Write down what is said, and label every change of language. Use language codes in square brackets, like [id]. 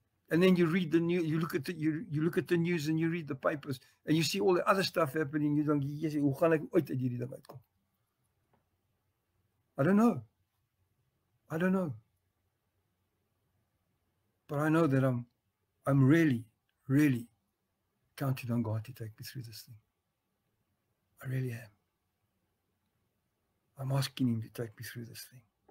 [en] And then you read the news, you look at the news and you read the papers and you see all the other stuff happening. You don't get, [af] hoe gaan ek ooit uit hierdie ding uitkom? [en] I don't know, but I know that I'm really, really counting on God to take me through this thing. I really am. I'm asking him to take me through this thing.